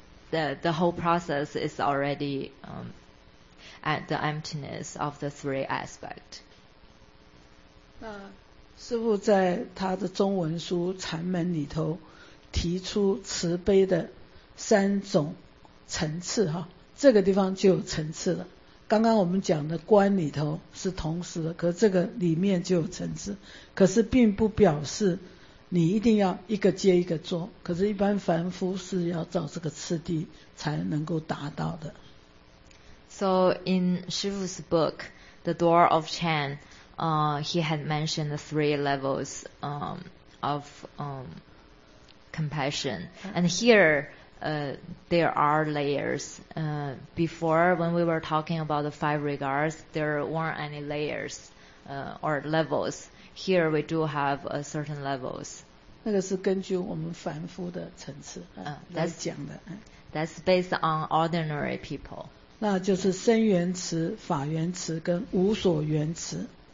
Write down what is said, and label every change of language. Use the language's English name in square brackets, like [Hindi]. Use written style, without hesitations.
[English] The whole process is already at the emptiness of the three aspect. [Chinese] 那师父在他的中文书《禅门》里头提出慈悲的三种层次哈，这个地方就有层次了。刚刚我们讲的观里头是同时的，可这个里面就有层次，可是并不表示你一定要一个接一个做，可是一般凡夫是要照这个次第才能够达到的。 [English] So in Shifu's book The Door of Chan, he had mentioned the three levels of compassion, and here there are layers. Before, when we were talking about the five regards, there weren't any layers or levels. Here we do have a certain levels. [Chinese] 那个是根据我们凡夫的层次来讲的。 [English] That's based on ordinary people. [Chinese] 那就是生缘词、法缘词跟无所缘词。